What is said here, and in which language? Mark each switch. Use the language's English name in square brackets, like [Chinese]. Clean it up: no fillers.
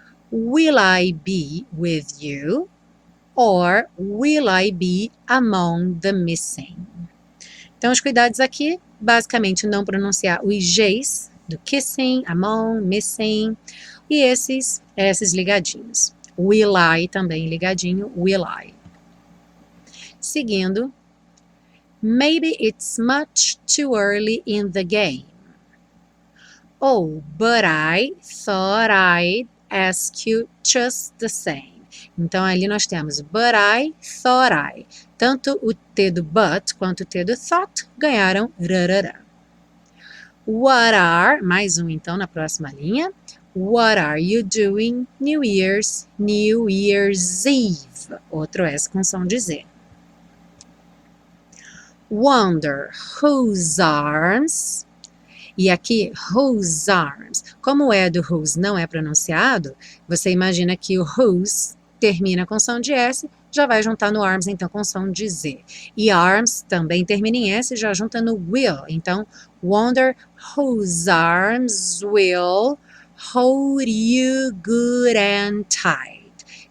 [English] Will I be with you or will I be among the missing? [Portuguese] Então, os cuidados aqui, basicamente, não pronunciar os G's do kissing, among, missing, e esses ligadinhos. [English] Will I [Portuguese] também ligadinho, [English] will I. [Portuguese] Seguindo, [English] maybe it's much too early in the game. Oh, but I thought I'd ask you just the same. [Portuguese] Então ali nós temos [English] but I thought I. [Portuguese] Tanto o T do but quanto o T do thought ganharam rarara. [English] What are, [Portuguese] mais um então na próxima linha. [English] What are you doing New Year's Eve? [Portuguese] Outro S com som de Z. [English] Wonder whose arms. [Portuguese] E aqui, [English] whose arms? [Portuguese] Como o E do whose não é pronunciado, você imagina que o whose termina com som de S, já vai juntar no arms, então, com som de Z. E arms também termina em S, já junta no will. Então, [English] wonder whose arms will hold you good and tight.